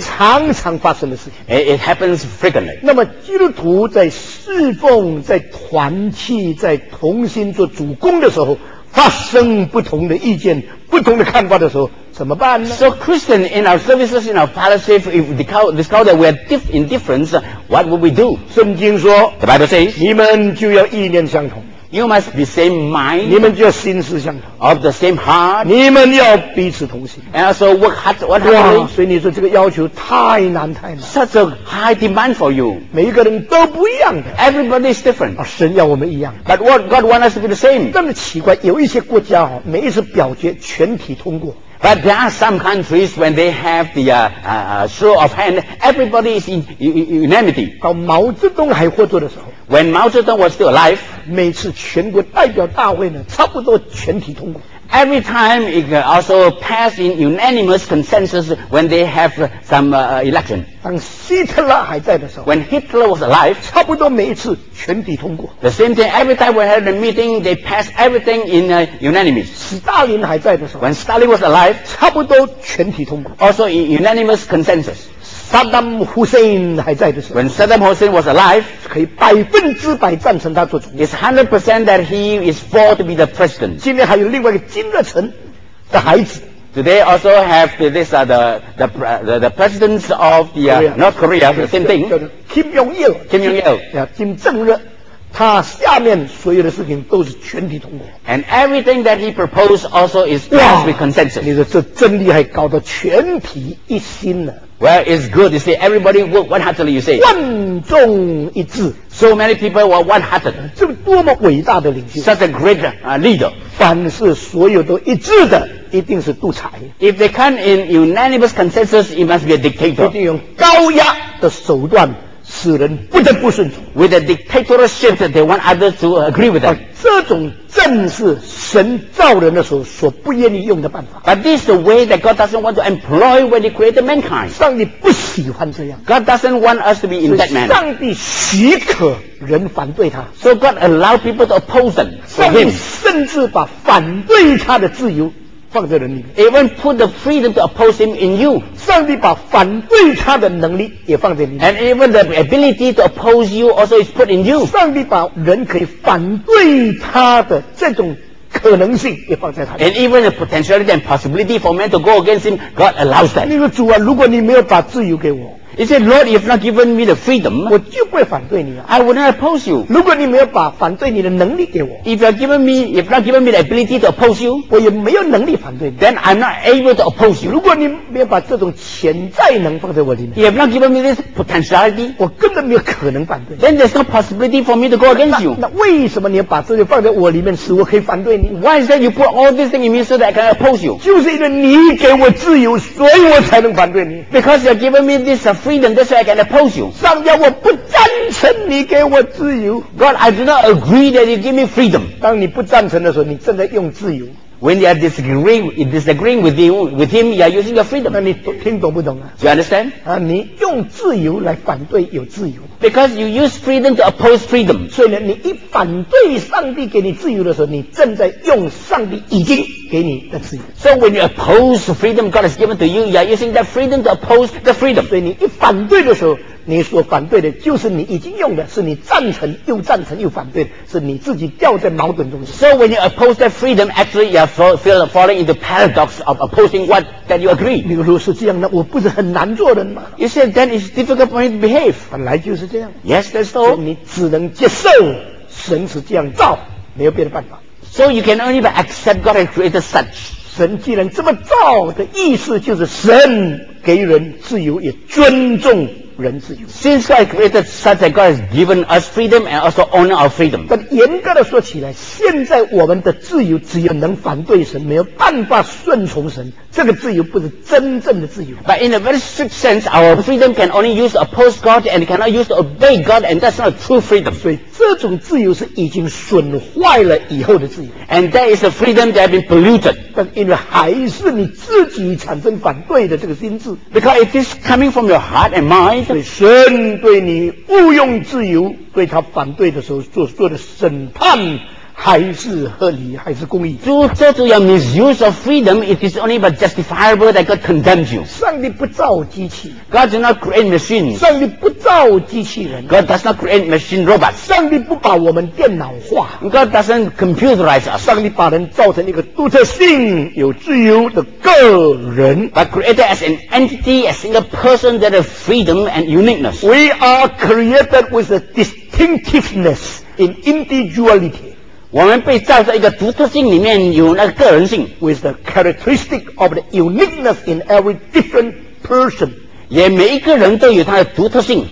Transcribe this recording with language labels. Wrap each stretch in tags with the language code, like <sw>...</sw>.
<zh>常常发生的事情。</zh> <en>It happens frequently.</en> <zh>那么基督徒在侍奉、在团契、在同心做主工的时候，发生不同的意见、不同的看法的时候，怎么办呢</zh> <en>？So Christian in our services, in our fellowship, if discover that we are indifference, what would we do?</en> <zh>圣经说</zh> <en>，The Bible says,</en> <zh>你们就要意念相同。</zh> <en>You must be same mind.</en> <zh>你们就要心思相同。</zh> <en>Of the same heart.</en> <zh>你们要彼此同心。</zh> <en>And also work hard. What are you?</en> <zh>所以你说这个要求太难太难。</zh> <en>Such a high demand for you.</en> <zh>每一个人都不一样的。</zh> <en>Everybody is different.</en> <zh>啊，神要我们一样。</zh> <en>But what God wants us to be the same.</en> <zh>那么奇怪，有一些国家哦，每一次表决全体通过。</zh> <en>But there are some countries when they have the show of hand, everybody is in unanimity.</en> <zh>到毛泽东还活着的时候。</zh> <en>When Mao Zedong was still alive,</en> <zh>每次全国代表大会呢，差不多全体通过。</zh> <en>Every time it also passed in unanimous consensus when they have some election.</en> <zh>当希特勒还在的时候</zh> <en>，When Hitler was alive,</en> <zh>差不多每一次全体通过。</zh> <en>The same thing. Every time we had a meeting, they passed everything in unanimous.</en> <zh>斯大林还在的时候</zh> <en>，When Stalin was alive,</en> <zh>差不多全体通过。</zh> <en>Also in unanimous consensus.</en> <zh>Saddam Hussein 还在的时候</zh> <en>，When Saddam Hussein was alive，</en> <zh>可以百分之百赞成他做总统。</zh> <en>It's 100% that he is for to be the president。</en> <zh>今天还有另外一个金日成的孩子。</zh> <en>Today also have this the presidents of the North Korea the same thing。 Kim Jong Il。 Kim Jong Il。</en> <zh>金正日，他下面所有的事情都是全体通过。</zh> <en>And everything that he proposed also is passed with consensus。</en> <zh>你说这真厉害，搞得全体一心呢。</zh> <en>Well, it's good. You see, everybody work one-heartedly, you say.</en> <zh>万众一致。</zh> <en>So many people were one-hearted.</en> <zh>这多么伟大的领袖。</zh> <en>Such a great leader.</en> <zh>凡是所有都一致的，一定是独裁。</zh> <en>If they come in unanimous consensus, it must be a dictator.</en> <zh>一定用高压的手段使人不得不顺从。</zh> <en>With a dictatorship that they want others to agree with them.</en> <zh>这种正是神造人的时候所不愿意用的办法。</zh> <en>But this is the way that God doesn't want to employ when he created mankind.</en> <zh>上帝不喜欢这样。</zh> <en>God doesn't want us to be in that manner.</en> <zh>上帝许可人反对他。</zh> <en>So God allow people to oppose them.</en> <zh>上帝甚至把反对他的自由放在人里面。</zh> <en>Even put the freedom to oppose him in you.</en> <zh>上帝把反对他的能力也放在里面。</zh> <en>And even the ability to oppose you also is put in you.</en> <zh>上帝把人可以反对他的这种可能性也放在他里面。</zh> <en>And even the potentiality and possibility for man to go against him, God allows that.</en> <zh>那个主啊，如果你没有把自由给我。</zh> <en>He said, Lord, you have not given me the freedom.</en> <zh>我就不会反对你啊。</zh> <en>I would not oppose you.</en> <zh>如果你没有把反对你的能力给我。</zh> <en>If you have given me, if not given me the ability to oppose you.</en> <zh>我也没有能力反对你。</zh> <en>Then I'm not able to oppose you.</en> <zh>如果你没有把这种潜在能放在我里面。</zh> <en>You have not given me this potentiality.</en> <zh>我根本没有可能反对你。</zh> <en>Then there's no possibility for me to go against you.</en> <zh>那为什么你要把这些放在我里面使我可以反对你？</zh> <en>Why is that you put all these things in me so that I can oppose you?</en> <zh>就是因为你给我自由，所以我才能反对你。</zh> <en>Because you have given me this freedom, that's why I can oppose you.</en> <zh>上帝，我不赞成你给我自由。</zh> <en>God, I do not agree that you give me freedom.</en> <zh>当你不赞成的时候，你正在用自由。</zh> <en>When you are disagreeing with you, with him, you are using your freedom.</en> <zh>那你听懂不懂啊？</zh> <en>You understand?</en> <zh>啊，你用自由来反对有自由。</zh> <en>Because you use freedom to oppose freedom.</en> <zh>所以呢，你一反对上帝给你自由的时候，你正在用上帝已经给你的自由。</zh> <en>So when you oppose freedom God has given to you, you are using that freedom to oppose the freedom.</en> <zh>所以你一反对的时候，你所反对的就是你已经用的，是你赞成又赞成又反对的，是你自己掉在矛盾中。</zh> <en>So when you oppose that freedom, actually you are falling into paradox of opposing what that you agree.</en> <zh>你如果是这样，那我不是很难做人吗？</zh> <en>You said then it's difficult for me to behave.</en> <zh>本来就是这样。</zh> <en>Yes, that's so.</en> <zh>你只能接受神是这样造，没有别的办法。</zh> <en>So you can only but accept God has created such.</en> <zh>神既然这么造的意思就是神给人自由，也尊重。</zh> <en>Since God created such that God has given us freedom and also honor our freedom.</en> <zh>但严格的说起来，现在我们的自由只有能反对神，没有办法顺从神。这个自由不是真正的自由。</zh> <en>But in a very strict sense, our freedom can only use to oppose God and cannot use to obey God, and that's not true freedom.</en> <zh>所以这种自由是已经损坏了以后的自由。</zh> <en>And that is a freedom that has been polluted.</en> <zh>但因为还是你自己产生反对的这个心智。</zh> <en>Because it is coming from your heart and mind.</en> <zh>所以神对你误用自由，对他反对的时候做的审判。还是合理，还是公义。</zh> <en>So, so to your misuse of freedom, it is only but justifiable that God condemns you.</en> <zh>上帝不造机器。</zh> <en>God did not create machines.</en> <zh>上帝不造机器人。</zh> <en>God does not create machine robots.</en> <zh>上帝不把我们电脑化。</zh> <en>God doesn't computerize us.</en> <zh>上帝把人造成一个独特性、有自由的个人。</zh> <en>But created as an entity, a single person that has freedom and uniqueness. We are created with a distinctiveness in individuality.</en> <zh>我们被造在一个独特性里面，有那个个人性</zh> <en>，with the characteristic of the uniqueness in every different person，</en> <zh>也每一个人都有他的独特性。</zh>